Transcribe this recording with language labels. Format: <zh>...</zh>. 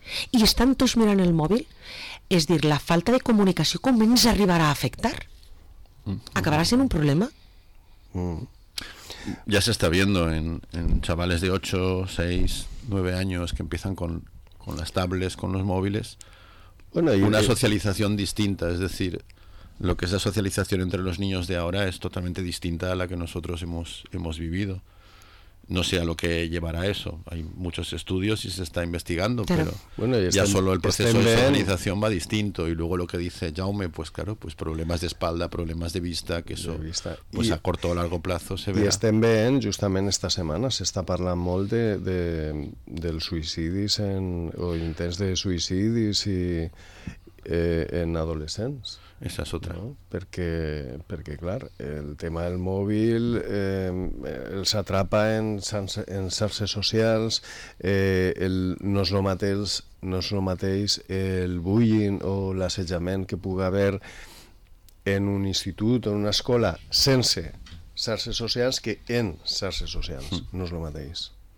<ca>i estan tots mirant el mòbil, és dir, la falta de comunicació, com ens arribarà a afectar? Acabarà sent un problema?</ca> <es>Ya se está viendo en chavales de 8, 6, 9 años que empiezan con las tablets, con los móviles, bueno, una socialización distinta. Es decir, lo que es la socialización entre los niños de ahora es totalmente distinta a la que nosotros hemos vivido. No sé a lo que llevará eso. Hay muchos estudios y se está investigando, pero bueno, ya solo el proceso de socialización va distinto. Y luego lo que dice Jaume, pues claro, pues problemas de espalda, problemas de vista, que eso pues a corto o largo plazo se verá.</es> <ca>Y estem veient, justament esta setmana, s'està parlant molt del suïcidis o intents de suïcidis en adolescents.</ca> <es>Esa es otra. No,</es> <ca>perquè clar, el tema del mòbil els atrapa en xarxes socials, no és el mateix el bullying o l'assetjament que pugui haver en un institut o en una escola sense xarxes socials que en xarxes socials. No és el mateix.</ca>